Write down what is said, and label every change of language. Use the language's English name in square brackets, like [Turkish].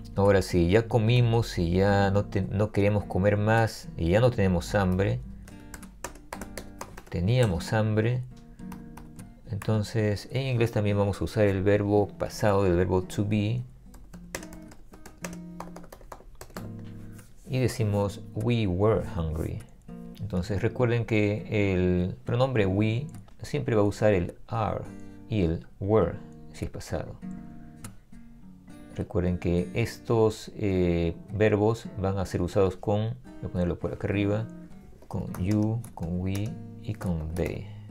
[Spanish] Ahora, si ya comimos y ya no queremos comer más y ya no tenemos hambre, teníamos hambre. Entonces, en inglés también vamos a usar el verbo pasado del verbo to be. Y decimos [English] we were hungry. [Spanish] Entonces, recuerden que el pronombre we siempre va a usar el are y el were si es pasado. Recuerden que estos verbos van a ser usados con, voy a ponerlo por acá arriba, con you, con we y con they.